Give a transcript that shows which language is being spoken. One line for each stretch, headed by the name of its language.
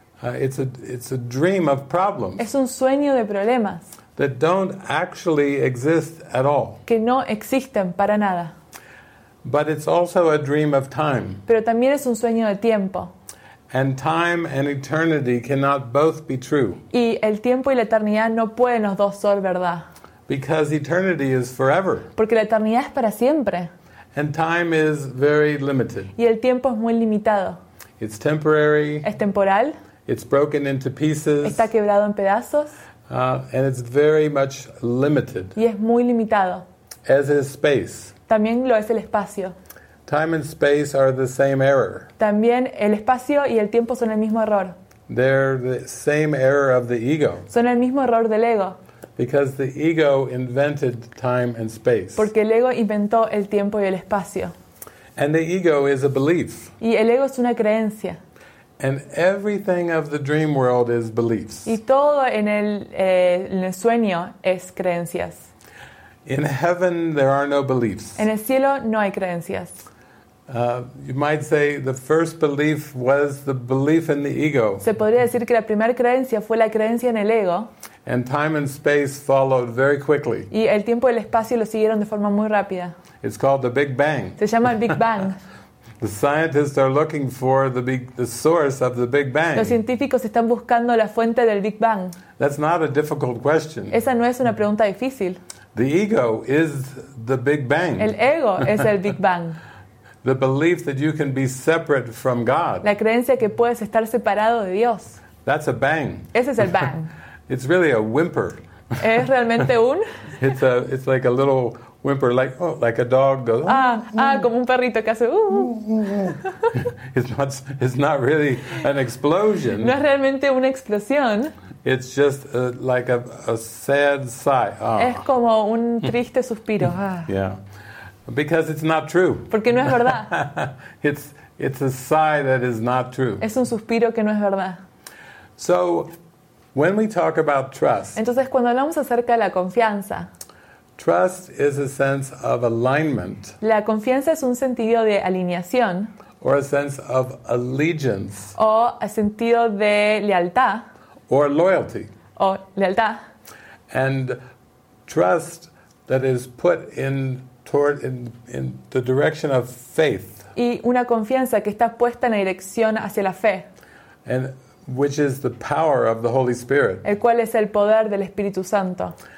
English: It's a dream of problems.
Spanish: Es un sueño de problemas.
English: That don't actually exist at all.
Spanish: Que no existen para nada.
English: But it's also a dream of time.
Spanish: Pero también es un sueño de tiempo.
English: And time and eternity cannot both be true.
Spanish: Y el tiempo y la eternidad no pueden los dos ser verdad.
English: Because eternity is forever.
Spanish: Porque la eternidad es para siempre.
English: And time is very limited.
Spanish: Y el tiempo es muy limitado.
English: It's temporary.
Spanish: Es temporal.
English: It's broken into pieces.
Spanish: Está quebrado en pedazos.
English: And it's very much limited.
Spanish: Y es muy limitado.
English: As is space.
Spanish: También lo es el espacio.
English: Time and space are the same error.
Spanish: También el espacio y el tiempo son el mismo error.
English: They're the same error of the ego.
Spanish: Son el mismo error del ego.
English: Because the ego invented time and space.
Spanish: Porque el ego inventó el tiempo y el espacio.
English: And the ego is a belief.
Spanish: Y el ego es una creencia.
English: And everything of the dream world is beliefs.
Spanish: Y todo en el sueño es creencias.
English: In heaven there are no beliefs.
Spanish: En el cielo no hay creencias.
English: You might say the first belief was the belief in the ego.
Spanish: Se podría decir que la primera creencia fue la creencia en el ego.
English: And time and space followed very quickly.
Spanish: Y el tiempo y el espacio lo siguieron de forma muy rápida.
English: It's called the Big Bang.
Spanish: Se llama el Big Bang.
English: The scientists are looking for the source of the Big Bang.
Spanish: Los científicos están buscando la fuente del Big Bang.
English: That's not a difficult question.
Spanish: Esa no es una pregunta difícil.
English: The ego is the Big Bang.
Spanish: El ego es el Big Bang.
English: The belief that you can be separate from God.
Spanish: La creencia que puedes estar separado de Dios.
English: That's a bang.
Spanish: Ese es el bang.
English: It's really a whimper.
Spanish: ¿Es realmente un?
English: It's like a little whimper, like a dog goes.
Spanish: Como un perrito que hace.
English: It's not really an explosion.
Spanish: No es realmente una explosión.
English: It's just like a sad sigh.
Spanish: Es como un triste suspiro.
English: Yeah, because it's not true.
Spanish: Porque no es verdad.
English: It's a sigh that is not true.
Spanish: Es un suspiro que no es verdad.
English: So. When we talk about trust.
Spanish: Entonces cuando hablamos acerca de la confianza.
English: Trust is a sense of alignment.
Spanish: La confianza es un sentido de alineación.
English: Or a sense of allegiance.
Spanish: O a sentido de lealtad.
English: Or loyalty.
Spanish: O lealtad.
English: And trust that is put in the direction of faith.
Spanish: Y una confianza que está puesta en la dirección hacia la fe.
English: And which is the power of the Holy Spirit.
Spanish: El cual es el poder del Espíritu Santo.